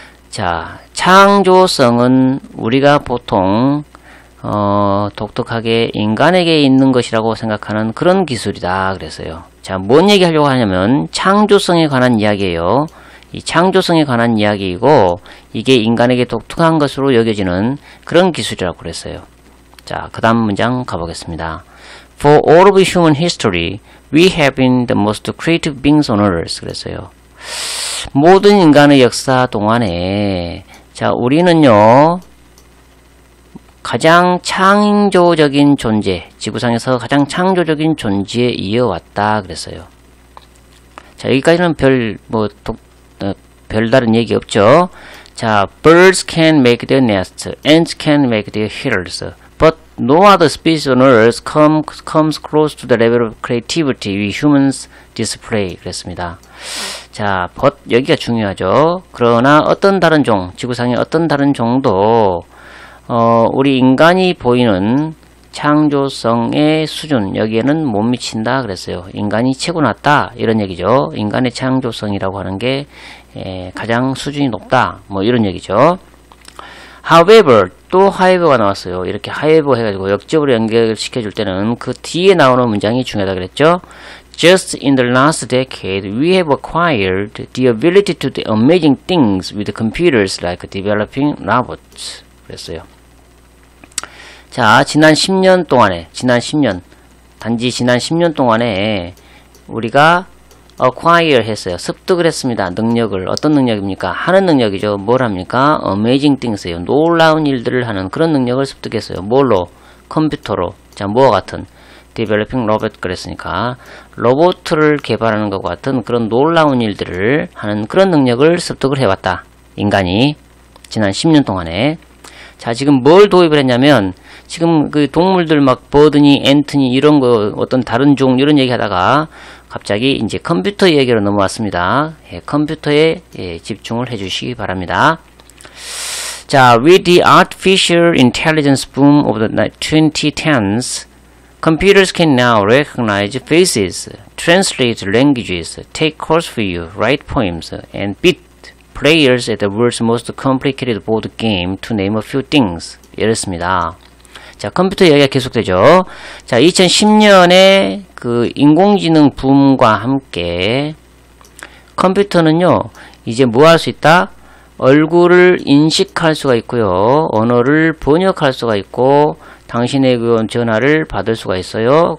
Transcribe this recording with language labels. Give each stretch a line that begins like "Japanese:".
Korean: 자, 창조성은 우리가 보통 독특하게 인간에게 있는 것이라고 생각하는 그런 기술이다 그랬어요. 자, 뭔 얘기 하려고 하냐면 창조성에 관한 이야기예요. 이 창조성에 관한 이야기이고 이게 인간에게 독특한 것으로 여겨지는 그런 기술이라고 그랬어요. 자, 그 다음 문장 가보겠습니다.
English: For all of human history, we have been the most creative beings on earth
Korean: 그랬어요. 모든 인간의 역사 동안에 자, 우리는요 가장 창조적인 존재, 지구상에서 가장 창조적인 존재에 이어왔다 그랬어요. 자, 여기까지는 별다른 얘기 없죠.
English: 자, birds can make their nests, ants can make their hills, but no other species on earth comes close to the level of creativity we humans display
Korean: 그랬습니다. 자, but 여기가 중요하죠. 그러나 어떤 다른 종, 지구상의 어떤 다른 종도 우리 인간이 보이는 창조성의 수준 여기에는 못 미친다 그랬어요. 인간이 최고 났다 이런 얘기죠. 인간의 창조성이라고 하는 게 가장 수준이 높다 뭐 이런 얘기죠. However, 또 however가 나왔어요. 이렇게 however 해가지고 역접으로 연결시켜줄 때는 그 뒤에 나오는 문장이 중요하다 그랬죠.
English: Just in the last decade, we have acquired the ability to do amazing things with computers like developing robots
Korean: 그랬어요. 자, 지난 10년 동안에 단지 지난 10년 동안에 우리가 acquire 했어요. 습득을 했습니다. 능력을. 어떤 능력입니까? 하는 능력이죠. 뭘 합니까?
English: amazing things
Korean: 예요. 놀라운 일들을 하는 그런 능력을 습득했어요. 뭘로? 컴퓨터로. 자, 뭐와 같은?
English: developing robot
Korean: 그랬으니까 로봇을 개발하는 것과 같은 그런 놀라운 일들을 하는 그런 능력을 습득을 해왔다. 인간이 지난 10년 동안에. 자, 지금 뭘 도입을 했냐면 지금 그 동물들 막 버드니 앤트니 이런 거 어떤 다른 종 이런 얘기 하다가 갑자기 이제 컴퓨터 얘기로 넘어왔습니다. 예, 컴퓨터에 예, 집중을 해 주시기 바랍니다.
English: 자, with the artificial intelligence boom of the 2010s, computers can now recognize faces, translate languages, take calls for you, write poems, and beat players at the world's most complicated board game to name a few things.
Korean: 이랬습니다. 자, 컴퓨터 이야기가 계속되죠. 자, 2010년에 그 인공지능 붐과 함께 컴퓨터는요, 이제 뭐 할 수 있다? 얼굴을 인식할 수가 있고요. 언어를 번역할 수가 있고, 당신의 전화를 받을 수가 있어요.